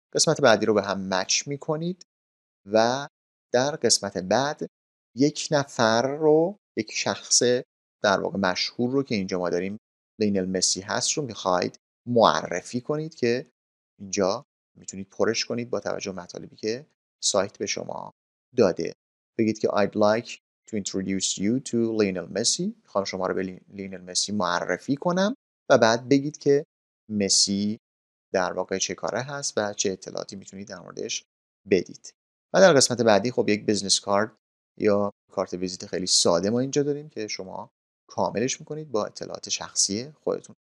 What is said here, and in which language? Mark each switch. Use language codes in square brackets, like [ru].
[fa] قسمت بعدی رو به هم مچ میکنید و در قسمت بعد یک نفر رو، یک شخص در واقع مشهور رو که اینجا ما داریم لینل مسی هست رو میخواید معرفی کنید که اینجا میتونید پرش کنید با توجه به مطالبی که سایت به شما داده. بگید که [en] I'd like to introduce you to Lionel Messi. [fa] میخوام شما رو به لینل مسی معرفی کنم و بعد بگید که مسی در واقع چه کاره هست و چه اطلاعاتی میتونید در موردش بدید. و در قسمت بعدی خب یک بزنس کارت یا کارت ویزیت خیلی ساده ما اینجا داریم که شما کاملش میکنید با اطلاعات شخصی خودتون.